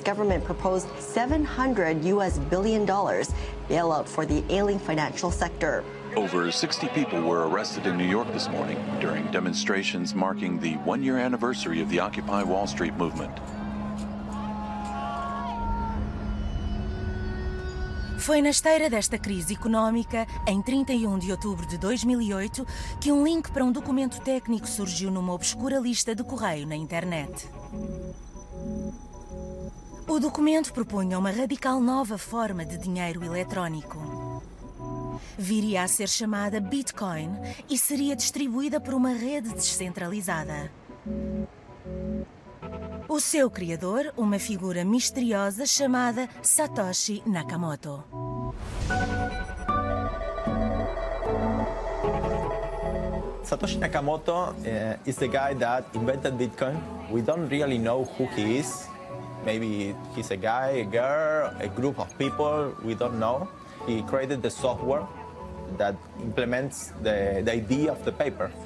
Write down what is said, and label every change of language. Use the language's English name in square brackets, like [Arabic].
[English] government proposed $700 billion bailout for the ailing financial sector. Over 60 people were arrested in New York this morning during demonstrations marking the one-year anniversary of the Occupy Wall Street movement. [Portuguese] Foi na esteira desta crise económica, em 31 de outubro de 2008, que um link para um documento técnico surgiu numa obscura lista de correio na internet. O documento propunha uma radical nova forma de dinheiro eletrónico. Viria a ser chamada Bitcoin e seria distribuída por uma rede descentralizada. O seu criador, uma figura misteriosa chamada Satoshi Nakamoto. [English] Satoshi Nakamoto is the guy that invented Bitcoin. We don't really know who he is. Maybe he's a guy, a girl, a group of people, we don't know. He created the software that implements the idea of the paper.